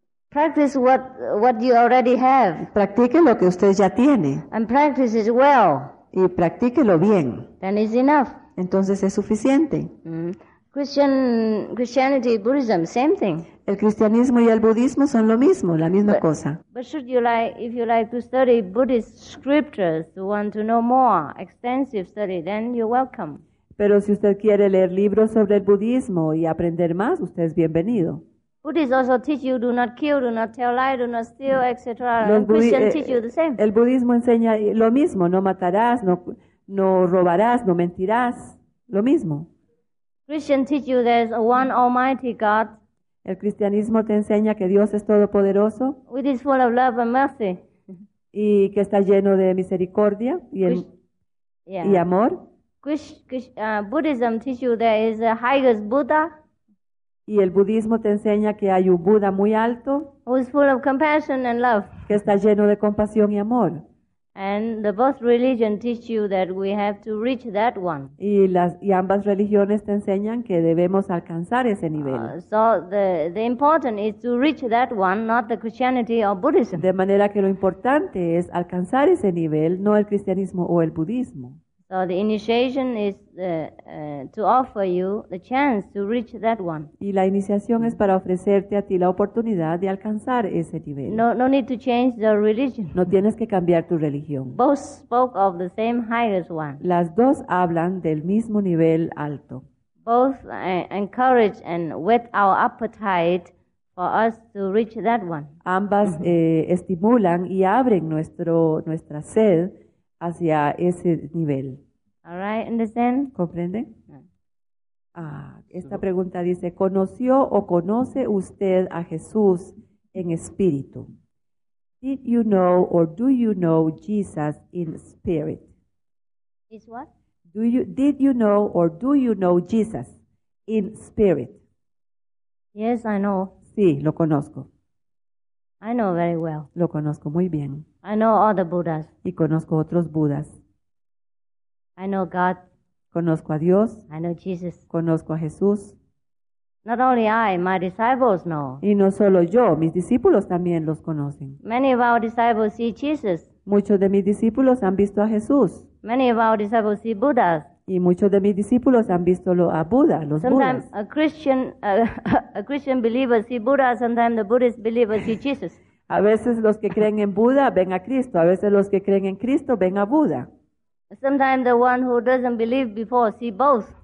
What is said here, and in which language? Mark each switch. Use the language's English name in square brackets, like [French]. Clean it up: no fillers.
[English] Practice what you already have. [Spanish] Practique lo que usted ya tiene. [English] And practice it well. [Spanish] Y practíquelo bien. [English] Then it's enough. [Spanish] Entonces es suficiente. [English] Christianity, Buddhism, same thing. [Spanish] El cristianismo y el budismo son lo mismo, la misma cosa. [English] But should you like, if you like to study Buddhist scriptures, to want to know more, extensive study, then you're welcome. [Spanish] Pero si usted quiere leer libros sobre el budismo y aprender más, usted es bienvenido. [English] Buddhists also teach you do not kill, do not tell lie, do not steal, etc. Christians teach you the same. [Spanish] El budismo enseña lo mismo, no matarás, no robarás, no mentirás, lo mismo. [English] Christians teach you there's one almighty God. [Spanish] El cristianismo te enseña que Dios es todopoderoso. [English] Which is full of love and mercy. [Spanish] Y que está lleno de misericordia y amor. [English] Buddhism teach you there is the highest Buddha. [Spanish] Y el budismo te enseña que hay un Buda muy alto. [English] Who is full of compassion and love. [Spanish] Que está lleno de compasión y amor. [English] And the both religion teach you that we have to reach that one. [Spanish] Y ambas religiones te enseñan que debemos alcanzar ese nivel. [English] So the important is to reach that one, not the Christianity or Buddhism. [Spanish] De manera que lo importante es alcanzar ese nivel, no el cristianismo o el budismo. [English] So the initiation is to offer you the chance to reach that one. [Spanish] Y la iniciación es para ofrecerte a ti la oportunidad de alcanzar ese nivel. [English] No need to change the religion. [Spanish] No tienes que cambiar tu religión. [English] Both spoke of the same highest one. [Spanish] Las dos hablan del mismo nivel alto. [English] Both encourage and whet our appetite for us to reach that one. [Spanish] Ambas estimulan y abren nuestra sed hacia ese nivel. [English] All right, understand? [Spanish] ¿Comprende? Esta pregunta dice, ¿conoció o conoce usted a Jesús en espíritu? [English] Did you know or do you know Jesus in spirit? Is what? Did you know Jesus in spirit? Yes, I know. [Spanish] Sí, lo conozco. [English] I know very well. [Spanish] Lo conozco muy bien. [English] I know all the Buddhas. [Spanish] Y conozco otros Budas. [English] I know God. [Spanish] Conozco a Dios. [English] I know Jesus. [Spanish] Conozco a Jesús. [English] Not only I, my disciples know. [Spanish] Y no solo yo, mis discípulos también los conocen. [English] Many of our disciples see Jesus. [Spanish] Muchos de mis discípulos han visto a Jesús. [English] Many of our disciples see Buddhas. [Spanish] Y muchos de mis discípulos han visto a Buda, los [English] sometimes [Spanish] Budas. [English] Sometimes a Christian believer see Buddha, sometimes the Buddhist believer see Jesus. [Spanish] A veces los que creen en Buda ven a Cristo, a veces los que creen en Cristo ven a Buda. [English] Sometimes the one who doesn't believe before see both.